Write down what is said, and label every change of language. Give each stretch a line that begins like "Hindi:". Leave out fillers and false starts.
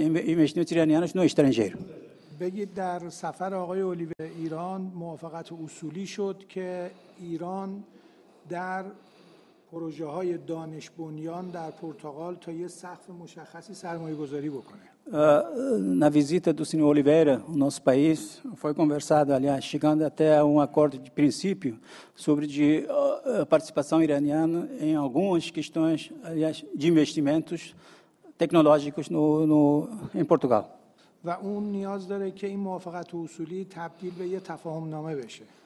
Portuguese: Investimentos iranianos no estrangeiro.
Persian: بگید در سفر آقای اولیویر ایران موافقت اصولی شد که ایران در پروژه های دانش بنیان در پرتغال تا یه سقف مشخصی سرمایه گذاری بکنه.
Portuguese: Na visita do senhor Oliveira ao nosso país, foi conversado, aliás, chegando até a um acordo de princípio sobre de participação iraniana em algumas questões, aliás, de investimentos tecnológicos em Portugal.
Persian: و اون نیاز داره که این موافقت اصولی تبدیل به یه تفاهم نامه بشه.